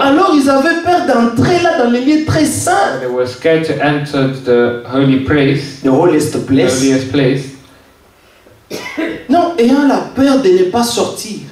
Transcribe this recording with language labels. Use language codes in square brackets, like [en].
[fr] Alors ils avaient peur d'entrer là dans les lieux très saints. [en] They were scared to enter the holy place. The holiest place. The holiest place. [fr] Non, ayant la peur de ne pas sortir.